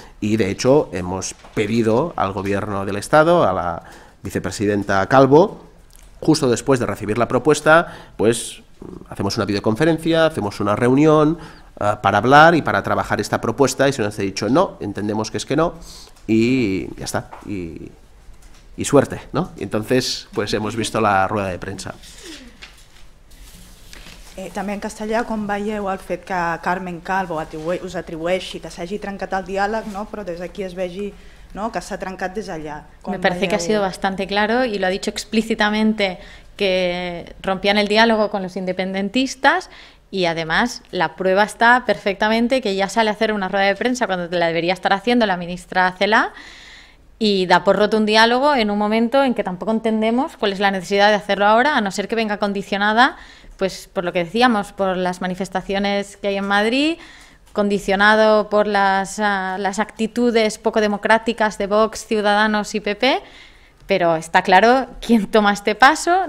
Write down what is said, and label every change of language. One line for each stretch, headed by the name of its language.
Spanish: Y de hecho hemos pedido al Gobierno del Estado, a la vicepresidenta Calvo, justo después de recibir la propuesta, pues hacemos una videoconferencia, hacemos una reunión para hablar y para trabajar esta propuesta, y se nos ha dicho no, entendemos que es que no, y ya está, y suerte, ¿no? Y entonces, pues hemos visto la rueda de prensa.
Catalan: També en castellà, com veieu el fet que Carmen Calvo us atribueixi que s'hagi trencat el diàleg, no? Però des d'aquí es vegi, ¿no?
Spanish: Que se ha trancado desde allá. Me parece que ha sido bastante claro y lo ha dicho explícitamente que rompían el diálogo con los independentistas y además la prueba está perfectamente que ya sale a hacer una rueda de prensa cuando te la debería estar haciendo la ministra Cela y da por roto un diálogo en un momento en que tampoco entendemos cuál es la necesidad de hacerlo ahora, a no ser que venga condicionada, pues por lo que decíamos, por las manifestaciones que hay en Madrid, condicionado por las actitudes poco democráticas de Vox, Ciudadanos y PP, pero está claro quién toma este paso.